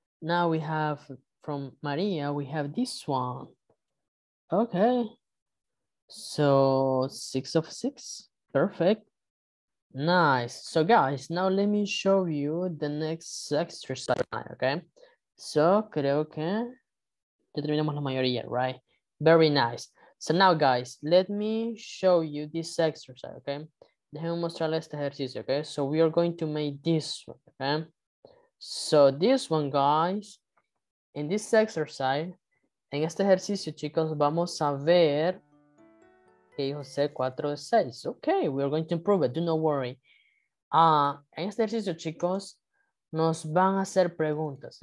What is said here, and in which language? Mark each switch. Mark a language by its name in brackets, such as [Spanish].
[English] Now we have from Maria, we have this one. Okay. So 6 of 6, perfect, nice. So guys, now let me show you the next exercise, okay? [Spanish] So creo que ya terminamos la mayoría, right? [English] Very nice. So now guys, let me show you this exercise, okay? [Spanish] Déjenme mostrarles este ejercicio, [English] okay? So we are going to make this one, okay? So this one, guys, in this exercise, [Spanish] en este ejercicio, chicos, vamos a ver. Okay, José, 4 de 6. [English] Okay, we are going to improve it. Do not worry. [Spanish] En este ejercicio, chicos, nos van a hacer preguntas.